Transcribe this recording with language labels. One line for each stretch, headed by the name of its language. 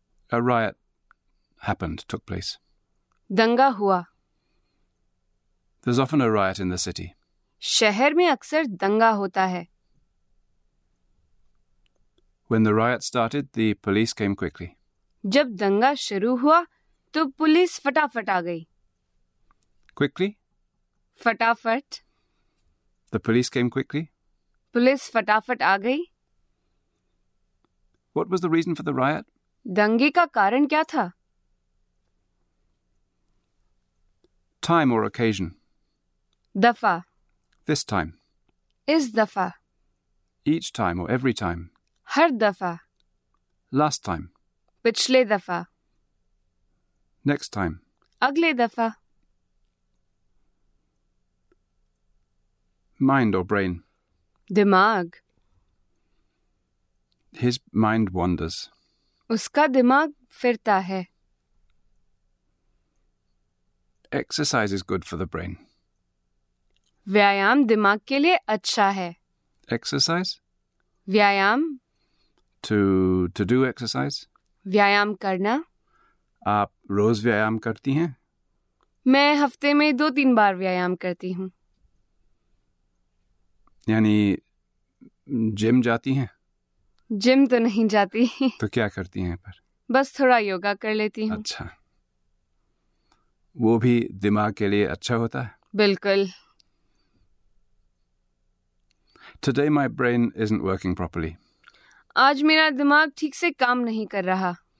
English: A riot happened, took place.
Hindi: दंगा हुआ।
English: There's often a riot in the city.
Hindi: शहर में अक्सर दंगा होता है।
English: When the riot started, the police came quickly.
Hindi: जब दंगा शुरू हुआ तो पुलिस फटाफट आ गई।
English: Quickly?
Hindi: फटाफट।
English: The police came quickly?
Hindi: Police फटाफट आ गई।
English: What was the reason for the riot?
Hindi: दंगे का कारण क्या था?
English: Time or occasion.
Hindi: दफा.
English: This time.
Hindi: इस दफा.
English: Each time or every time.
Hindi: हर दफा.
English: Last time.
Hindi: पिछले दफा.
English: Next time.
Hindi: अगले दफा.
English: Mind or brain.
Hindi: दिमाग.
English: His mind wanders.
Hindi: उसका दिमाग फिरता है.
English: Exercise is good for the brain.
Hindi: व्यायाम दिमाग के लिए अच्छा है.
English: Exercise?
Hindi: व्यायाम.
English: To do exercise?
Hindi: व्यायाम करना. आप रोज व्यायाम करती हैं? मैं हफ्ते में 2-3 बार व्यायाम करती हूँ. यानी जिम जाती हैं? जिम तो नहीं जाती. तो क्या करती हैं पर? बस थोड़ा योगा कर लेती हूँ. अच्छा, वो भी दिमाग के लिए अच्छा होता है? बिल्कुल.
English: Today my brain isn't working properly.
Hindi: आज मेरा दिमाग ठीक से काम नहीं कर रहा.